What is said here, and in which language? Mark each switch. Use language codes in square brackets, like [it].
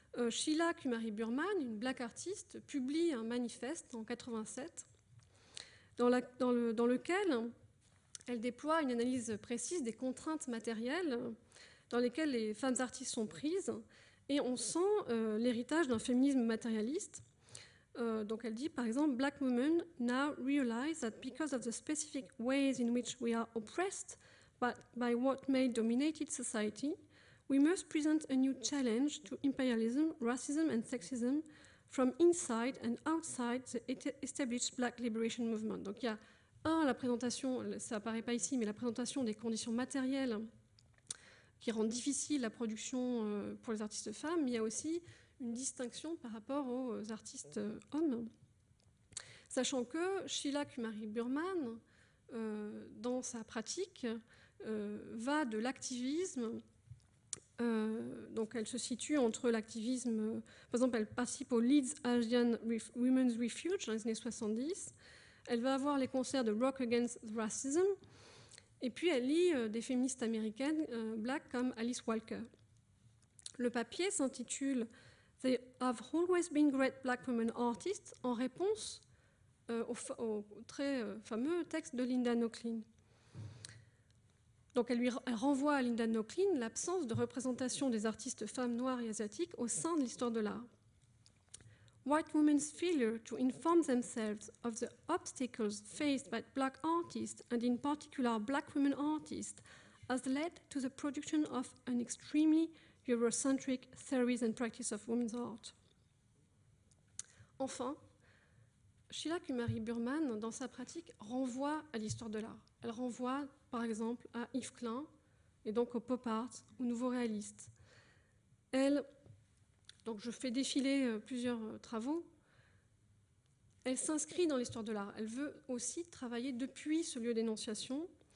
[fr] Sheila Kumari Burman, une black artiste, publie un manifeste en 87 dans lequel elle déploie une analyse précise des contraintes matérielles dans lesquelles les femmes artistes sont prises, et on sent l'héritage d'un féminisme matérialiste. Donc elle dit par exemple: [en] Black women now realize that because of the specific ways in which we are oppressed by what male dominated society, we must present a new challenge to imperialism, racism and sexism from inside and outside the established black liberation movement. [fr] Donc il y a la présentation, ça apparaît pas ici, mais la présentation des conditions matérielles qui rendent difficile la production pour les artistes femmes, mais il y a aussi une distinction par rapport aux artistes hommes. Sachant que Sheila Kumari Burman, dans sa pratique, va de l'activisme, donc elle se situe entre l'activisme, par exemple elle participe au Leeds Asian Women's Refuge dans les années 70, elle va avoir les concerts de Rock Against Racism, et puis elle lit des féministes américaines black comme Alice Walker. Le papier s'intitule [en] They have always been great black women artists, [fr] en réponse au très fameux texte de Linda Nochlin. Donc elle renvoie à Linda Nochlin l'absence de représentation des artistes femmes noires et asiatiques au sein de l'histoire de l'art. [en] White women's failure to inform themselves of the obstacles faced by black artists, and in particular black women artists, has led to the production of an extremely Eurocentric theories and practice of women's art. [fr] Enfin, Sheila Kumari Burman, dans sa pratique, renvoie à l'histoire de l'art. Elle renvoie, par exemple, à Yves Klein, et donc au pop art, au nouveau réaliste. Elle, donc je fais défiler plusieurs travaux, elle s'inscrit dans l'histoire de l'art. Elle veut aussi travailler depuis ce lieu d'énonciation.